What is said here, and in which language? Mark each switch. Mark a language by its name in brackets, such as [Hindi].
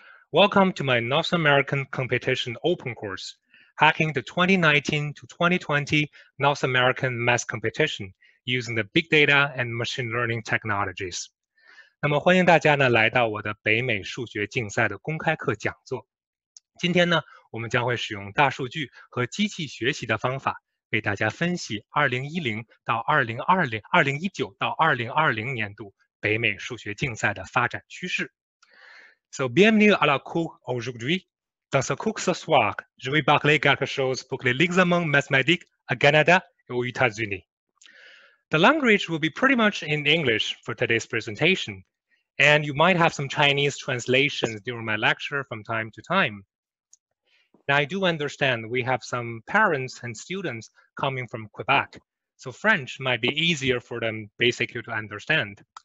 [English] Welcome to my North American Competition Open Course, Hacking the 2019 to 2020 North American Math Competition Using the Big Data and Machine Learning Technologies. [Chinese] 那么欢迎大家呢, 来到我的北美数学竞赛的公开课讲座。今天呢, 我们将会使用大数据和机器学习的方法为大家分析 2019到2020年度北美数学竞赛的发展趋势。 [French] So, bienvenue à la cour aujourd'hui. Dans ce cours ce soir, je vais parler quelque chose pour l'examen mathématique à Canada et aux États-Unis. [English] The language will be pretty much in English for today's presentation, and you might have some Chinese translations during my lecture from time to time. Now, I do understand we have some parents and students coming from Quebec, so French might be easier for them basically to understand.